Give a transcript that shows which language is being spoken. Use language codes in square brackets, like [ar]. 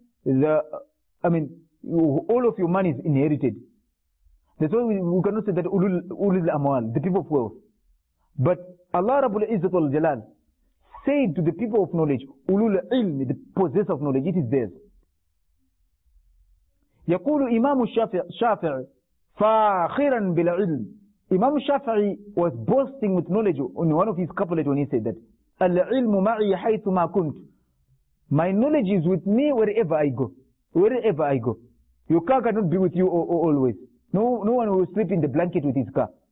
[en] all of your money is inherited. That's why we cannot say that ulul amwal, the people of wealth. But Allah Rabbul Izzat wal Jalal said to the people of knowledge, ulul ilm, the possessor of knowledge, it is theirs. [ar] يقول إمام الشافعي فاخرا بالعلم. [en] Imam Shafi'i was boasting with knowledge in one of his couplets when he said that, [ar] العلم معي حيث ما كنت. [en] My knowledge is with me wherever I go. Wherever I go. Your car cannot be with you always. No one will sleep in the blanket with his car.